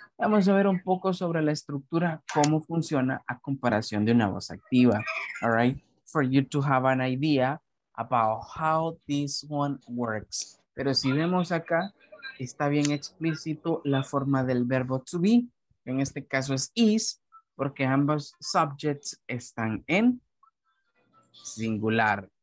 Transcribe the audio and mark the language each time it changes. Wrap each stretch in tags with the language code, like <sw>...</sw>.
<es>Vamos a ver un poco sobre la estructura, cómo funciona a comparación de una voz activa.</es> <en>All right. For you to have an idea about how this one works.</en> <es>Pero si vemos acá, está bien explícito la forma del verbo to be. En este caso es is, porque ambos subjects están en singular.</es>